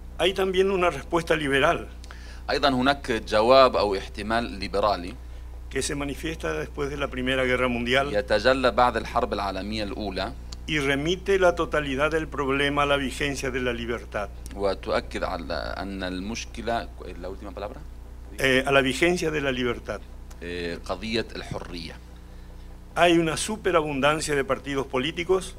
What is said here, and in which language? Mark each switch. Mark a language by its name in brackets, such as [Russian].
[Spanish] Hay también una respuesta liberal. [Arabic] أيضا هناك جواب أو احتمال ليبرالي. [Spanish] Que se manifiesta después de la Primera Guerra Mundial. [Arabic] يتجلى بعد الحرب العالمية الأولى. [Spanish] Y remite la totalidad del problema a la vigencia de la libertad. [Arabic] وتؤكد على أن المشكلة [Spanish] la última palabra. A la vigencia de la libertad. [Arabic] قضية الحرية. [Spanish] Hay una superabundancia de partidos políticos,